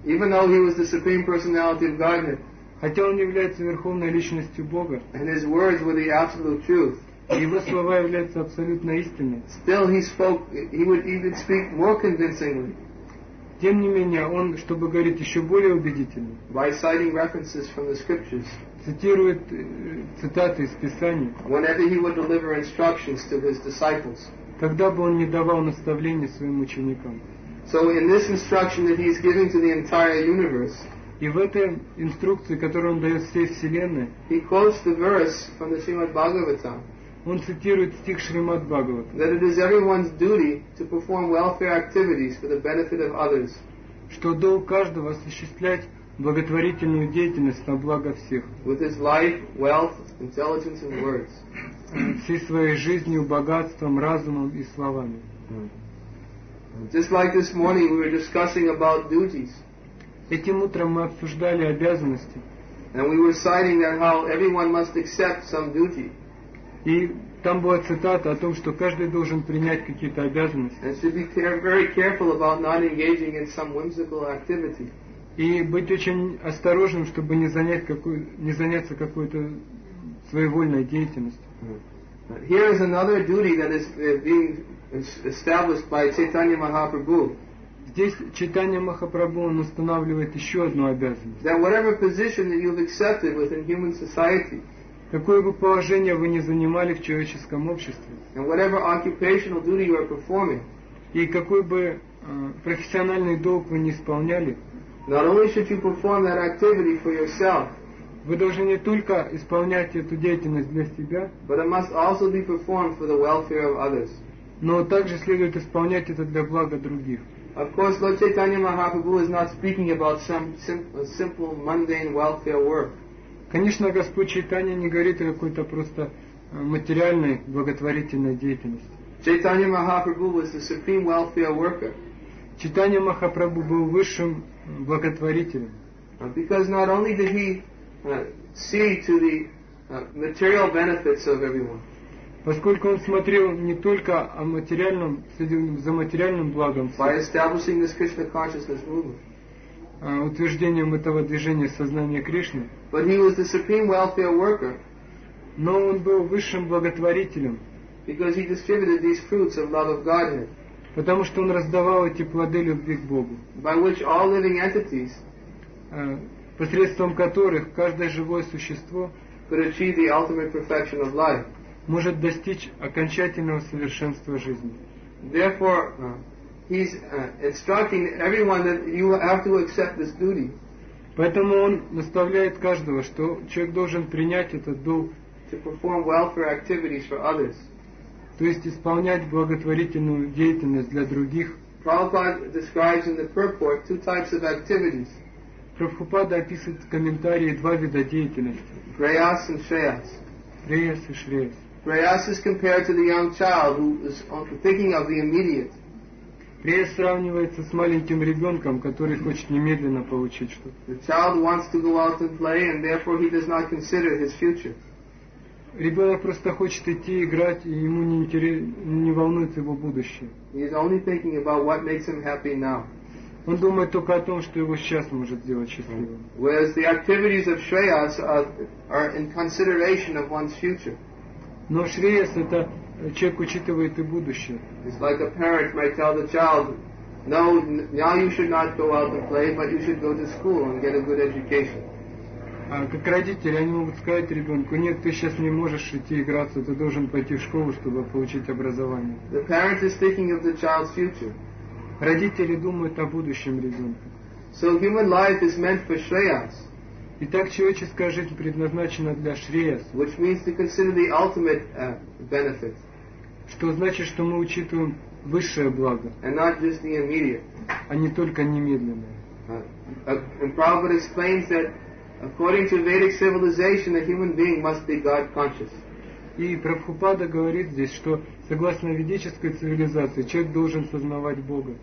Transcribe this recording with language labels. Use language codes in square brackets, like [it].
[en] Even though he was the supreme personality of Godhead, [ru] хотя он является верховной личностью Бога, [en] and his words were the absolute truth, [ru] его слова являются абсолютно истинными, [en] still he would even speak more convincingly. [ru] Тем не менее, он, чтобы говорить еще более убедительно, [en] by citing references from the scriptures, [ru] цитирует цитаты из Писания, [en] whenever he would deliver instructions to his disciples, [ru] когда бы он не давал наставления своим ученикам. [en] So in this instruction that he is giving to the entire universe, [ru] И в этой инструкции, которую он дает всей Вселенной, [en] he quotes the verse from the Srimad Bhagavatam, [ru] он цитирует стих Шримад Бхагаватам, [en] that it is everyone's duty to perform welfare activities for the benefit of others, [ru] что долг каждого осуществлять благотворительную деятельность на благо всех, [en] with his life, wealth, intelligence and words, [ru] всей своей жизнью, богатством, разумом и словами. [en] Just like this morning we were discussing about duties. [ru] Этим утром мы обсуждали обязанности. [en] And we were citing that how everyone must accept some duty. [ru] И там была цитата о том, что каждый должен принять какие-то обязанности. [en] And should be very careful about not engaging in some whimsical activity. [ru] И быть очень осторожным, чтобы не заняться какой-то своевольной деятельностью. [en] Here is another duty that is being established by Chaitanya Mahaprabhu. [ru] Здесь Чайтанья Махапрабху он устанавливает еще одну обязанность. [en] That whatever position that you've accepted within human society, [ru] какое бы положение вы ни занимали в человеческом обществе, [en] and whatever occupational duty you are performing, [ru] и какой бы профессиональный долг вы ни исполняли, [en] not only should you perform that activity for yourself, [ru] вы должны не только исполнять эту деятельность для себя, [en] but it must also be performed for the welfare of others, [ru] но также следует исполнять это для блага других. [en] Of course, Lord Chaitanya Mahaprabhu is not speaking about some simple mundane welfare work. [ru] Конечно, Господь Чайтанья не говорит о какой-то просто материальной благотворительной деятельности. [en] Chaitanya Mahaprabhu was the supreme welfare worker. [ru] Чайтанья Махапрабху был высшим благотворителем. [en] Because not only did he see to the material benefits of everyone. [ru] Поскольку он смотрел не только о материальном, за материальным благом, [en] by establishing this Krishna consciousness movement, [ru] утверждением этого движения сознания Кришны, [en] but he was the supreme welfare worker, [ru] но он был высшим благотворителем, [en] because he distributed these fruits of love of Godhead, [ru] потому что он раздавал эти плоды любви к Богу, [en] by which all living entities, [ru] посредством которых каждое живое существо [en] could achieve the ultimate perfection of life, [ru] может достичь окончательного совершенства жизни. [en] Therefore, he's instructing everyone that you have to accept this duty. [ru] Поэтому он наставляет каждого, что человек должен принять этот долг. [en] To perform welfare activities for others. [ru] То есть исполнять благотворительную деятельность для других. [en] Prabhupada describes in the purport two types of activities. [ru] Прабхупада описывает в комментарии два вида деятельности. [en] Prayas and Shreyas. [ru] Prayas и Shreyas. [en] Prayas is compared to the young child who is thinking of the immediate. [ru] Prayas сравнивается с маленьким ребенком, который хочет немедленно получить что-то. [en] The child wants to go out and play, and therefore he does not consider his future. [ru] Ребенок просто хочет идти играть, и ему не волнует его будущее. [en] He is only thinking about what makes him happy now. [ru] Он думает только о том, что его сейчас может сделать счастливым. [en] Whereas the activities of Shreyas are in consideration of one's future. [ru] Но Шреяс — это человек учитывает и будущее. [en] It's like a parent might tell the child, no, now you should not go out and play, but you should go to school and get a good education. [ru] А как родители, они могут сказать ребенку, нет, ты сейчас не можешь идти играться, ты должен пойти в школу, чтобы получить образование. [en] The parent is thinking of the child's future. [ru] Родители думают о будущем ребенка. [en] So human life is meant for Shreyas. [ru] Итак, человеческая жизнь предназначена для Шреяс, [en] which means to consider the ultimate benefit, [ru] что значит, что мы учитываем высшее благо, [en] and not just the immediate, [ru] а не только немедленное. [en] And Prabhupada explains that according to Vedic civilization, a human being must be God conscious. [ru] И Прабхупада говорит здесь, что согласно ведической цивилизации, человек должен сознавать Бога.